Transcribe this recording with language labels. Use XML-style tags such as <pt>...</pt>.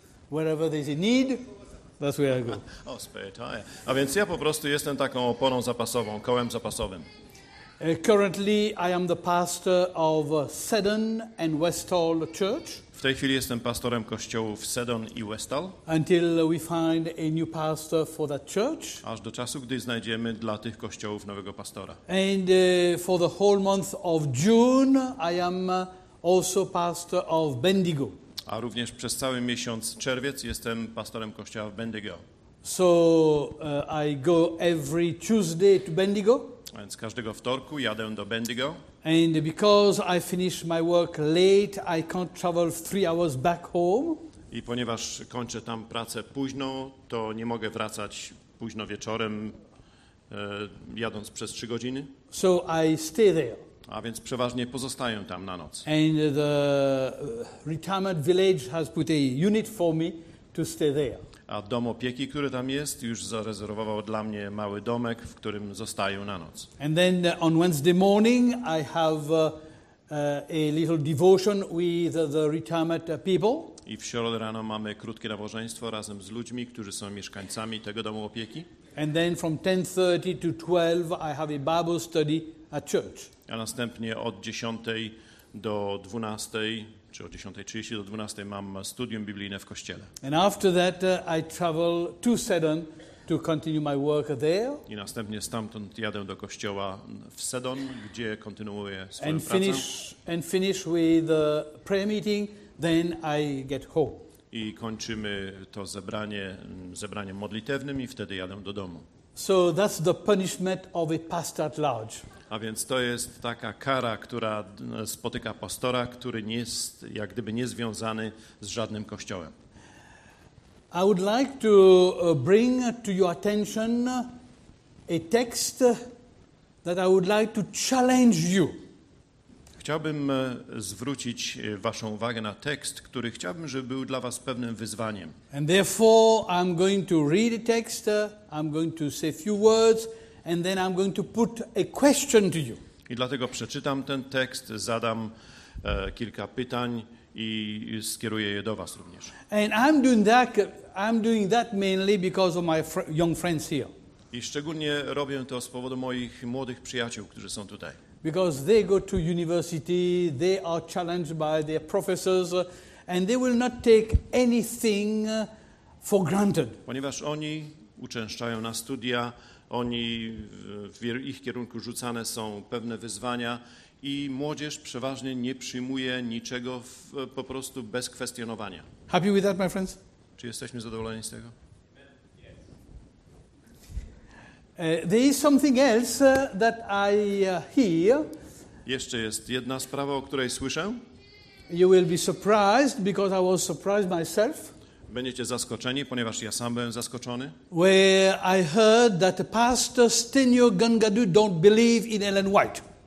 <en>Wherever there's a need, that's where I go. Oh, spare tire.</en> <pl>A więc ja po prostu jestem taką oponą zapasową, kołem zapasowym.</pl> <en>Currently, I am the pastor of Seddon and Westall Church.</en> <pl>W tej chwili jestem pastorem kościołów Seddon i Westall.</pl> <en>Until we find a new pastor for that church.</en> <pl>Aż do czasu, gdy znajdziemy dla tych kościołów nowego pastora.</pl> <en>And for the whole month of June, I am also pastor of Bendigo.</en> <pl>A również przez cały miesiąc czerwiec jestem pastorem kościoła w Bendigo.</pl> <en>So I go every Tuesday to Bendigo.</en> <pl>Więc każdego wtorku jadę do Bendigo.</pl> <en>And because I finish my work late, I can't travel 3 hours back home.</en> <pl>I ponieważ kończę tam pracę późno, to nie mogę wracać późno wieczorem, jadąc przez 3 godziny.</pl> <en>So I stay there.</en> <pl>A więc przeważnie pozostaję tam na noc.</pl> <en>And the retirement village has put a unit for me to stay there.</en> <pl>A dom opieki, który tam jest, już zarezerwował dla mnie mały domek, w którym zostaję na noc.</pl> <en>And then on Wednesday morning I have a little devotion with the retirement people.</en> <pl>I w środę rano mamy krótkie nabożeństwo razem z ludźmi, którzy są mieszkańcami tego domu opieki.</pl> <en>And then from 10:30 to 12 I have a Bible study at church.</en> <pl>A następnie od 10 do 12 czy od 10:30 do 12 mam studium biblijne w kościele.</pl> <en>And after that I travel to Seddon to continue my work there.</en> <pl>I następnie stamtąd jadę do kościoła w Seddon, gdzie kontynuuję swoją</pl> <en>and</en> <pl>pracę.</pl> <en>And finish with the prayer meeting, then I get home.</en> <pl>I kończymy to zebraniem modlitewnym i wtedy jadę do domu.</pl> <en>So that's the punishment of a pastor at large.</en> <pl>A więc to jest taka kara, która spotyka pastora, który nie jest jak gdyby nie związany z żadnym kościołem.</pl> <en>I would like to bring to your attention a text that I would like to challenge you.</en> <pl>Chciałbym zwrócić waszą uwagę na tekst, który chciałbym, żeby był dla was pewnym wyzwaniem.</pl> <en>And therefore I'm going to read a text, I'm going to say a few words. And then I'm going to put a question to you.</en> <pl>I dlatego przeczytam ten tekst, zadam kilka pytań i skieruję je do was również.</pl> <en>And I'm doing that mainly because of my young friends here.</en> <pl>I szczególnie robię to z powodu moich młodych przyjaciół, którzy są tutaj.</pl> <en>Because they go to university, they are challenged by their professors and they will not take anything for granted.</en> <pl>Ponieważ oni uczęszczają na studia, oni w ich kierunku rzucane są pewne wyzwania i młodzież przeważnie nie przyjmuje niczego po prostu bez kwestionowania.</pl> <en>Happy with that, my friends?</en> <pl>Czy jesteśmy zadowoleni z tego?</pl> <en>There is something else that I hear.</en> <pl>Jeszcze jest jedna sprawa, o której słyszę.</pl> <en>You will be surprised because I was surprised myself.</en> <pl>Będziecie zaskoczeni, ponieważ ja sam byłem zaskoczony.</pl> <en>Where I heard that Pastor Stenio Gangadu don't believe in Ellen White.</en>